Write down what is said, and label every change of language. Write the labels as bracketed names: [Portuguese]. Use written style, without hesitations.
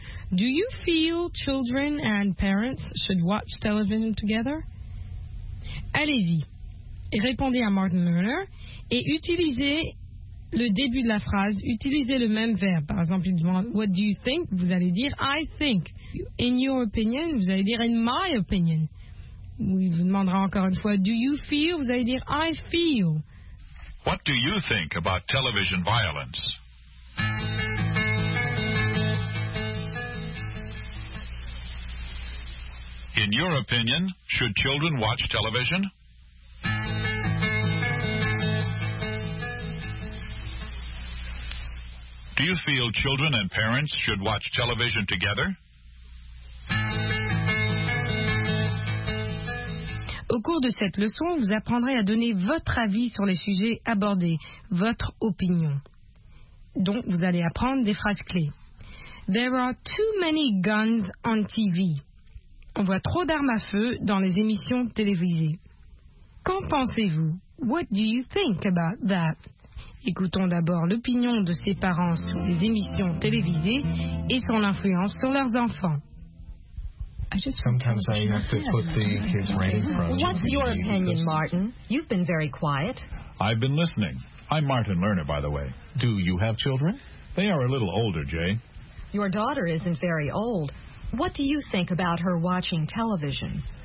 [English] « Do you feel children and parents should watch television together? [French] » Allez-y, répondez à Martin Lerner et utilisez le début de la phrase, utilisez le même verbe. Par exemple, il demande « [English] What do you think? [French] » Vous allez dire « [English] I think ». « In your opinion », [French] vous allez dire [English] « In my opinion ». [French] Il vous demandera encore une fois « [English] Do you feel ?» [French] Vous allez dire « [English] I feel ». « What do you think about television violence ?» « In your opinion, should children watch television ?» « Do you feel children and parents should watch television together ?» [French] Au cours de cette leçon, vous apprendrez à donner votre avis sur les sujets abordés, votre opinion. Donc, vous allez apprendre des phrases clés. [English] There are too many guns on TV. [French] On voit trop d'armes à feu dans les émissions télévisées. Qu'en pensez-vous? [English] What do you think about that? [French] Écoutons d'abord l'opinion de ses parents sur les émissions télévisées et son influence sur leurs enfants. [English] Sometimes I have to put the kids right in front of me. What's your opinion, Martin? You've been very quiet. I've been listening. I'm Martin Lerner, by the way. Do you have children? They are a little older, Jay. Your daughter isn't very old. What do you think about her watching television?